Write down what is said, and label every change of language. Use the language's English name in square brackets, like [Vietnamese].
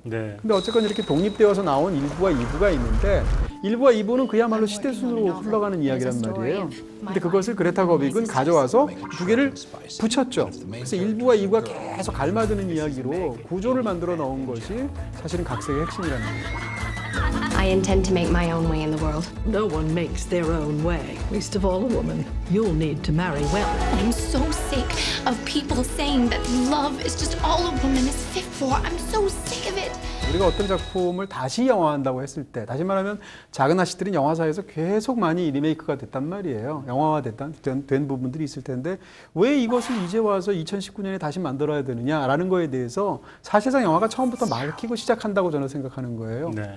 [Korean] 근데 어쨌건 이렇게 독립되어서 나온 1부와 2부가 있는데 1부와 2부는 그야말로 시대 순으로 흘러가는 이야기란 말이에요. 근데 그것을 그레타 거윅은 가져와서 두 개를 붙였죠. 그래서 1부와 2부가 계속 갈맞은 이야기로 구조를 만들어 넣은 것이 사실은 각색의 핵심이라는 거예요. [English] I intend to make my own way in the world. No one makes their own way. Least of all a woman. You'll need to marry well. I'm so sick of people saying that love is just all a woman is fit for. I'm so sick of it. [Korean] 우리가 어떤 작품을 다시 영화한다고 했을 때, 다시 말하면 작은 아씨들은 영화사에서 계속 많이 리메이크가 됐단 말이에요. 영화화 된 부분들이 있을 텐데 왜 이것을 이제 와서 2019년에 다시 만들어야 되느냐라는 거에 대해서 사실상 영화가 처음부터 막히고 시작한다고 저는 생각하는 거예요.